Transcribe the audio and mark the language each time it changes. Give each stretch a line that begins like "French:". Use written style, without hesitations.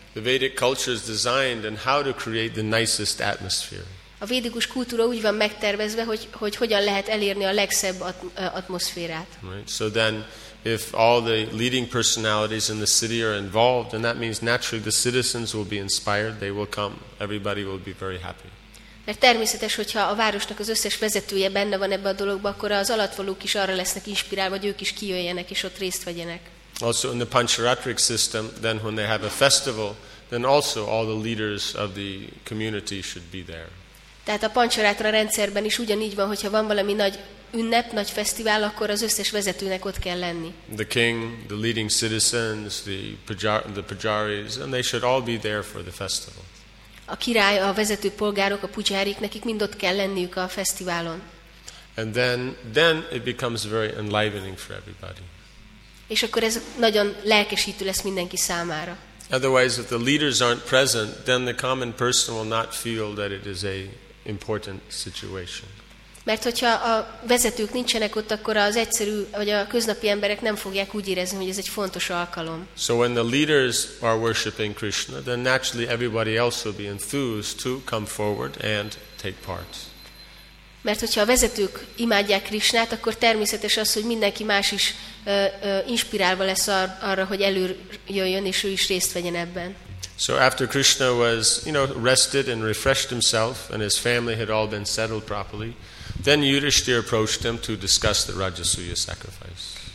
English: The Vedic culture is designed and how to create the nicest atmosphere.
Hungarian: A védikus kultúra úgy van megtervezve, hogy hogyan lehet elérni a legszebb atmoszférát.
English: Right. So then if all the leading personalities in the city are involved, then that means naturally the citizens will be inspired, they will come, everybody will be very happy.
Hungarian: Mert természetes, hogyha a városnak az összes vezetője benne van ebbe a dologba, akkor az alattvalók is arra lesznek inspirálva, hogy ők is kijöjjenek és ott részt vegyenek.
English: Also in the Pancharatrik system, then when they have a festival, then also all the leaders of the community should be there.
Hungarian: Tehát a pancsarátra rendszerben is ugyanígy van, hogyha van valami nagy ünnep, nagy fesztivál, akkor az összes vezetőnek ott kell lenni.
English: The king, the leading citizens, the pujaris, and they should all be there for the festival.
Hungarian: A király, a vezető polgárok, a pujárik, nekik mind ott kell lenniük a fesztiválon.
English: And then it becomes very enlivening for everybody.
Hungarian: És akkor ez nagyon lelkesítő lesz mindenki számára.
English: Otherwise, if the leaders aren't present, then the common person will not feel that it is a important situation.
Hungarian: Mert hogyha a vezetők nincsenek ott, akkor az egyszerű, vagy a köznapi emberek nem fogják úgy érezni, hogy ez egy fontos alkalom.
English: So when the leaders are worshiping Krishna, then naturally everybody else will be enthused to come forward and take part.
Hungarian: Mert hogyha a vezetők imádják Krisnát, akkor természetes az, hogy mindenki más is inspirálva lesz arra, hogy előjöjjön, és ő is részt vegyen ebben.
English: So after Krishna was, you know, rested and refreshed himself, and his family had all been settled properly, then Yudhishthira approached him to discuss the Rajasuya sacrifice.